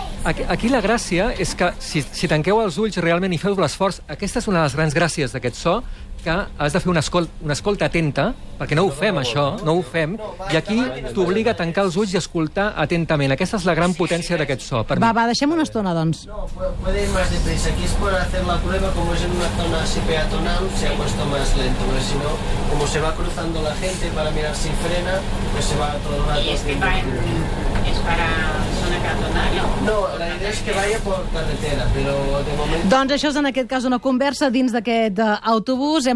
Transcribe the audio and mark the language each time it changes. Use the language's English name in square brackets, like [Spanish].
[Catalan] Aquí la gràcia és que si tanqueu els ulls realment i feu l'esforç, aquesta és una de les grans gràcies d'aquest so, que has de fer una escolta atenta, perquè no ho fem, això, no ho fem, i aquí t'obliga a tancar els ulls i escoltar atentament. Aquesta és la gran potència d'aquest so. Per va, deixem una estona, doncs. [Spanish] No, puede ir más deprisa. Aquí es puede hacer la prueba como es en una zona así peatonal, se ha puesto más lento, pero si no, como se va cruzando la gente para mirar si frena, pues se va todo el rato. Y es para... No, la idea és que vaya por carretera, [Catalan] però de moment... Doncs això és, en aquest cas, una conversa dins d'aquest autobús.